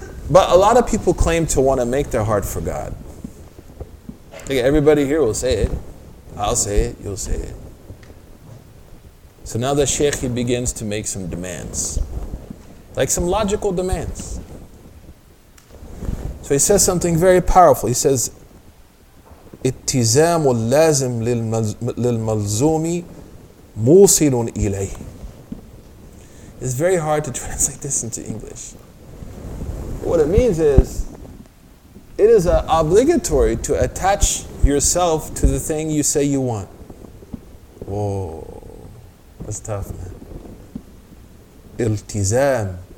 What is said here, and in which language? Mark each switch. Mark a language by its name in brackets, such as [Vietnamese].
[English] But a lot of people claim to want to make their heart for God. Like, everybody here will say it. I'll say it. You'll say it. So now the Sheikh, he begins to make some demands. Like some logical demands. So he says something very powerful. He says, [Arabic] اتزام اللازم للملزوم موصل إليه. [English] It's very hard to translate this into English. What it means is, it is obligatory to attach yourself to the thing you say you want. Whoa, that's tough, man. التزام,